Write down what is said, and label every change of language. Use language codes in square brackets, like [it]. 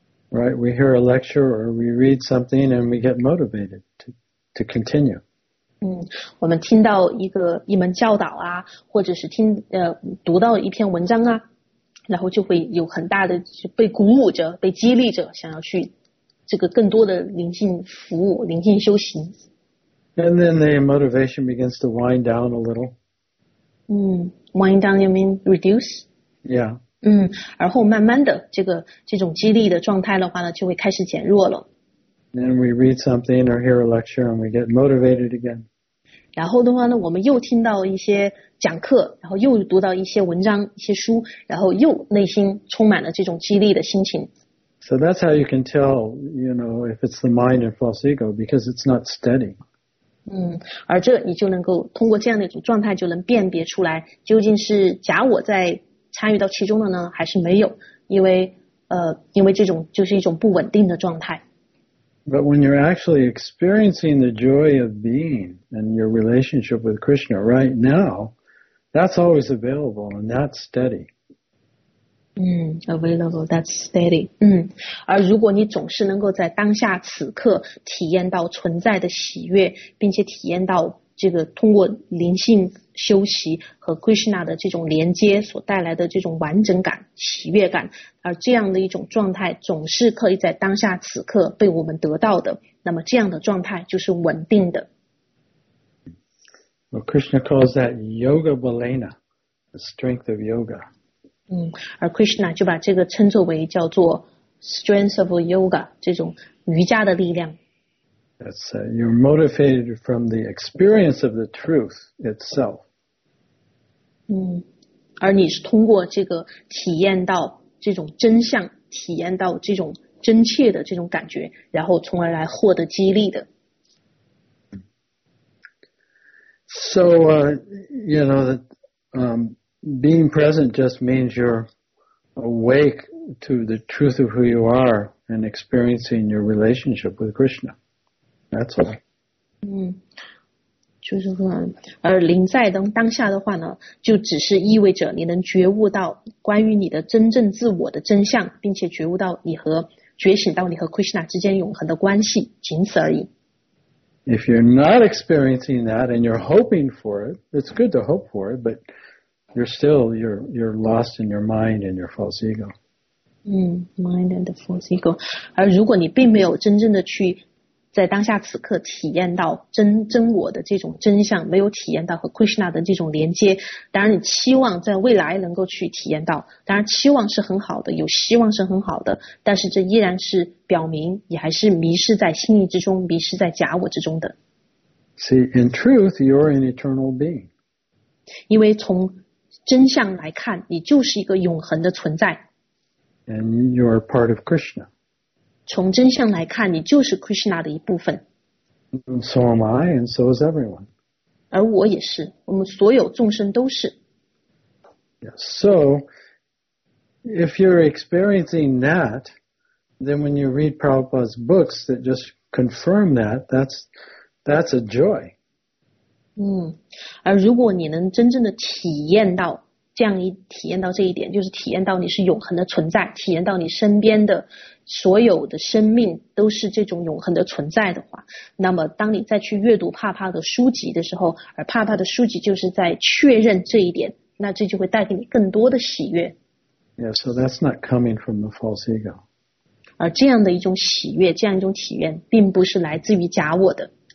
[en] Right, we hear a lecture or we read something and we get motivated to continue. [zh] 我们听到一门教导啊，或者是读到一篇文章啊，然后就会有很大的被鼓舞着，被激励着，想要去这个更多的灵性服务，灵性修行。 [en] And then the motivation begins to wind down a little. Wind down, you mean reduce? Yeah. [zh] 然后慢慢的这种激励的状态的话呢，就会开始减弱了。 [en] Then we read something or hear a lecture and we get motivated again. [zh] 然后的话呢，我们又听到一些讲课，然后又读到一些文章、一些书，然后又内心充满了这种激励的心情。 [en] So that's how you can tell, you know, if it's the mind or false ego, because it's not steady. [zh] 而这你就能够通过这样的一种状态就能辨别出来究竟是假我在参与到其中的呢还是没有，因为这种就是一种不稳定的状态。 [en] But when you're actually experiencing the joy of being and your relationship with Krishna right now, that's always available and that's steady. Available, that's steady. [zh] 而如果你总是能够在当下此刻体验到存在的喜悦，并且体验到这个通过灵性修习和 Krishna 的这种连接所带来的这种完整感、喜悦感，而这样的一种状态总是可以在当下此刻被我们得到的，那么这样的状态就是稳定的。 [en] Well, Krishna calls that yoga balena, the strength of yoga. [zh] 而 Krishna 就把这个称作为叫做 [en] strength of yoga, [zh] 这种瑜伽的力量。 [en] That's, you're motivated from the experience of the truth itself. [zh] 而你是通过这个体验到这种真相，体验到这种真切的这种感觉，然后从而来获得激励的。 [en] So, you know, being present just means you're awake to the truth of who you are and experiencing your relationship with Krishna. That's all. [zh] 就是说，而临在当下的话呢，就只是意味着你能觉悟到关于你的真正自我的真相，并且觉悟到觉醒到你和 Krishna 之间永恒的关系，仅此而已。 [en] If you're not experiencing that and you're hoping for it, it's good to hope for it, but... You're still lost in your mind and your false ego. Mind and the false ego. [zh] 而如果你并没有真正的去在当下此刻体验到真我的这种真相，没有体验到和 Krishna 的这种连接，当然你期望在未来能够去体验到，当然期望是很好的，有希望是很好的，但是这依然是表明你还是迷失在心意之中，迷失在假我之中的。 [en] See, in truth, you're an eternal being. [zh] 因为从真相来看，你就是一个永恒的存在。 [en] And you are part of Krishna. [zh] 从真相来看，你就是 Krishna 的一部分。 [en] And so am I, and so is everyone. [zh] 而我也是，我们所有众生都是。 [en] Yes. So, if you're experiencing that, then when you read Prabhupada's books that just confirm that, that's a joy. [zh] 而如果你能真正的体验到体验到这一点，就是体验到你是永恒的存在，体验到你身边的所有的生命都是这种永恒的存在的话，那么当你再去阅读帕帕的书籍的时候，而帕帕的书籍就是在确认这一点，那这就会带给你更多的喜悦。 [en] Yeah, so that's not coming from the false ego. [zh] 而这样的一种喜悦，这样一种体验，并不是来自于假我的。